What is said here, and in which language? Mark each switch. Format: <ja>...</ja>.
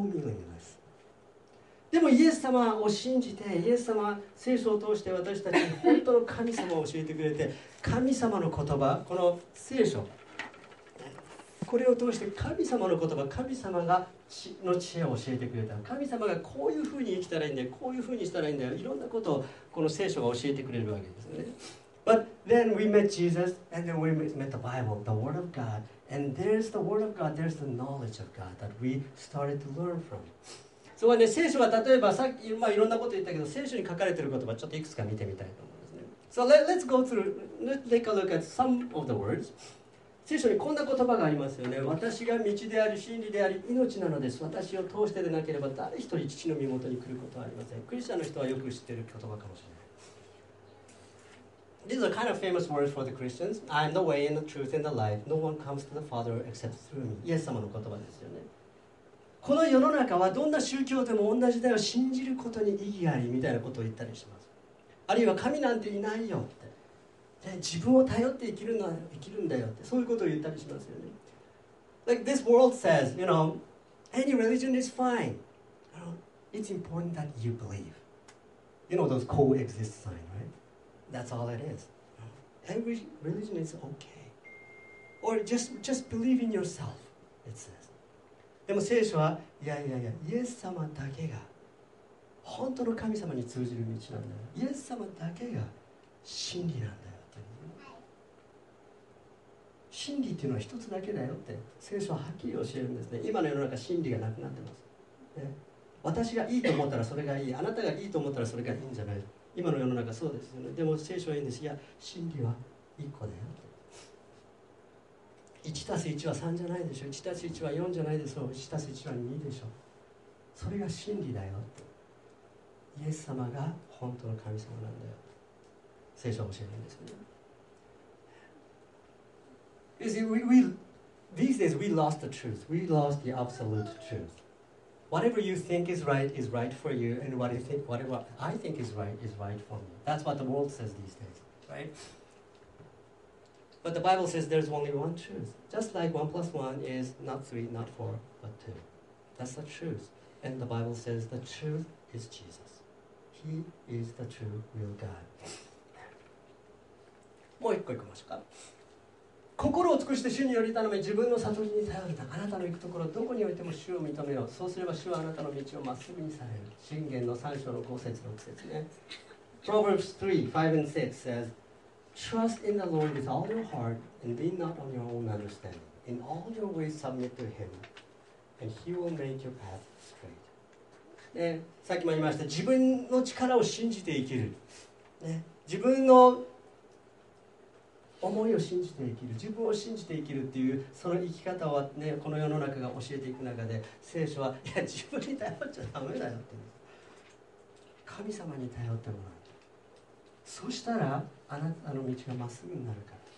<en>So meaningless.</en> <ja>でもイエス様を信じて、イエス様、聖書を通して私たちに本当の神様を教えてくれて、神様の言葉、この聖書、これを通して神様の言葉、神様がの知恵を教えてくれた。神様がこういうふうに生きたらいいんだよ、こういうふうにしたらいいんだよ、いろんなことをこの聖書が教えてくれるわけですよね。</ja> <en>But then we met Jesus, and then we met the Bible, the Word of God. And there's the Word of God, there's the knowledge of God that we started to learn from.</en> <ja>そうね、聖書が例えばさっき、まあ、いろんなこと言ったけど、聖書に書かれている言葉ちょっといくつか見てみたいと思うんですね。</ja> <en>So let's go through, let's take a look at some of the words.</en> <ja>聖書にこんな言葉がありますよね。私が道であり真理であり命なのです。私を通してでなければ誰一人父の身元に来ることはありません。クリスチャンの人はよく知っている言葉かもしれない。</ja> <en>These are kind of famous words for the Christians. I am the way and the truth and the life. No one comes to the Father except through me.</en> <ja>イエス様の言葉ですよね。この世の中はどんな宗教でも同じだよ、信じることに意義ありみたいなことを言ったりします。あるいは神なんていないよって、で自分を頼って生きるのは生きるんだよって、そういうことを言ったりしますよね。</ja> <en>Like this world says, you know, any religion is fine. You know, it's important that you believe. You know those coexist sign, right? That's all it is. Every religion is okay. Or just believe in yourself, it says.</en> <ja>でも聖書は、いやいやいや、イエス様だけが本当の神様に通じる道なんだよ。イエス様だけが真理なんだよって。真理っていうのは一つだけだよって聖書ははっきり教えるんですね。今の世の中真理がなくなってます、ね、私がいいと思ったらそれがいい、あなたがいいと思ったらそれがいいんじゃない。今の世の中そうですよね。でも聖書は言うんです。いや、真理は一個だよって。 1たす1は3じゃないでしょ、1たす1は4じゃないでしょ、1たす1は2でしょ。それが真理だよ。イエス様が本当の神様なんだよ。聖書は教えるんですよね。</ja> <en>You see, we, these days we lost the truth. We lost the absolute truth. Whatever you think is right for you, and what you think, whatever I think is right for me. That's what the world says these days, right? But the Bible says there's only one truth. Just like 1 plus 1 is not 3, not 4, but 2. That's the truth. And the Bible says the truth is Jesus. He is the true real God.</en> <ja>もう一個行きましょうか。心を尽くして主により頼め、自分の悟りに頼るな。あなたの行くところどこにおいても主を認めよう。そうすれば主はあなたの道をまっすぐにされる。箴言の3章の5節6節ね。</ja> <en>Proverbs 3, 5 and 6 says,Trust in the Lord with all your heart and lean not on your own understanding. In all your ways submit to Him, And he will make your path straight.</en> <ja>ね、さっきも言いました、自分の力を信じて生きる、ね、自分の思いを信じて生きる、自分を信じて生きるっていう、その生き方を、ね、この世の中が教えていく中で、聖書は、いや自分に頼っちゃダメだよって、神様に頼ってもらう、そしたらあなたの道がまっすぐになるから。</ja>